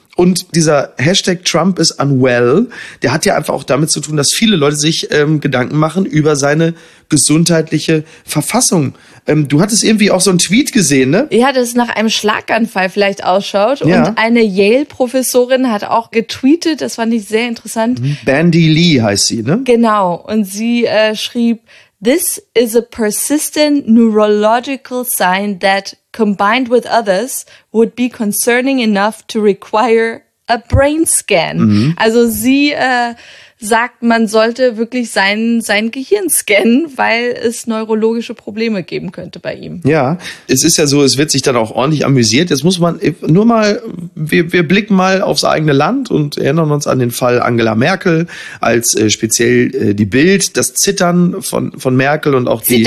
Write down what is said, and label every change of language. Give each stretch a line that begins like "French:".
German: Und dieser Hashtag Trump is unwell, der hat ja einfach auch damit zu tun, dass viele Leute sich Gedanken machen über seine gesundheitliche Verfassung. Du hattest irgendwie auch so einen Tweet gesehen, ne? Ja, das nach einem Schlaganfall vielleicht ausschaut. Ja. Und eine Yale-Professorin hat auch getweetet, das fand ich sehr interessant. Bandy Lee heißt sie, ne? Genau. Und sie schrieb,
English: this is a persistent neurological sign that combined with others would be concerning enough to require a brain scan. Mhm.
German: Also sie sagt, man sollte wirklich sein Gehirn scannen, weil es neurologische Probleme geben könnte bei ihm. Ja, es ist ja so, es wird sich dann auch ordentlich amüsiert. Jetzt muss man nur mal, wir blicken mal aufs eigene Land und erinnern uns an den Fall Angela Merkel, als speziell die Bild, das Zittern von Merkel und auch